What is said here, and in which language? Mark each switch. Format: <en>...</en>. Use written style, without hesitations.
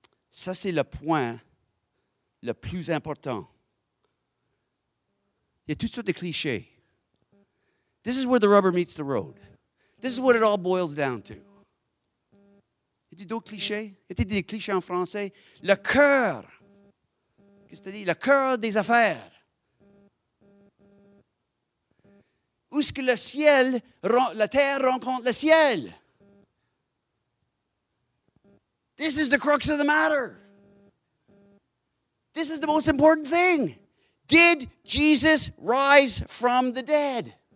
<fr>Ça, c'est le point le plus important. Il y a toutes sortes de clichés.</fr> <en>This is where the rubber meets the road. This is what it all boils down to.</en> <fr>Y a-t-il d'autres clichés? Y a-t-il des clichés en français? Le cœur. Qu'est-ce que tu dis? Le cœur des affaires. Où est-ce que la terre rencontre le ciel?</fr> <en>This is the crux of the matter. This is the most important thing. Did Jesus rise from the dead?</en>